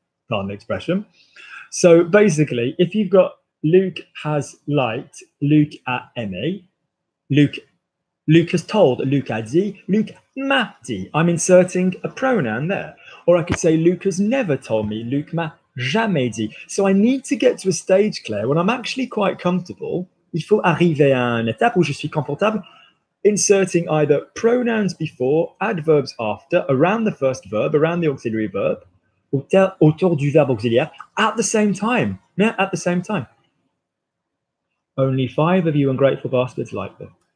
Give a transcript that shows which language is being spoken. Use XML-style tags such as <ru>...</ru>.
<en>Pardon the expression. So basically, if you've got Luke has liked,</en> <fr>Luke a aimé,</fr> <en>Luke has told,</en> <fr>Luke a dit, Luke m'a dit.</fr> <en>I'm inserting a pronoun there. Or I could say Luke has never told me,</en> <fr>Luke m'a jamais dit.</fr> <en>So I need to get to a stage, Claire, when I'm actually quite comfortable.</en> <fr>Il faut arriver à une étape où je suis confortable.</fr> <en>Inserting either pronouns before, adverbs after, around the first verb, around the auxiliary verb,</en> <fr>autour du verbe auxiliaire,</fr> <en>at the same time. Yeah, at the same time. Only 5 of you ungrateful bastards like them.</en>